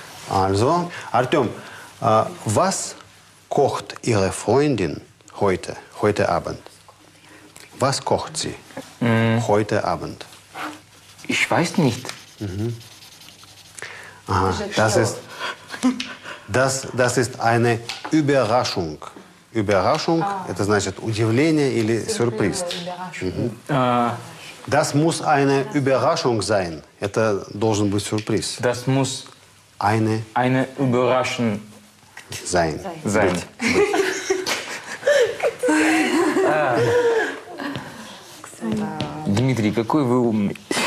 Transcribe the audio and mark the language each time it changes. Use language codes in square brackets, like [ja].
[de] Also, Артём, was kocht Ihre Freundin heute, heute Abend? Was kocht sie heute Abend? Ich weiß nicht. Aha, das ist... Das ist eine Überraschung. [ru] Überraschung, это значит удивление или сюрприз. [de] Das muss eine Überraschung sein. [ru] Это должен быть сюрприз. [de] Das muss eine Überraschung sein. Sein. [ru] Дмитрий, какой вы умный.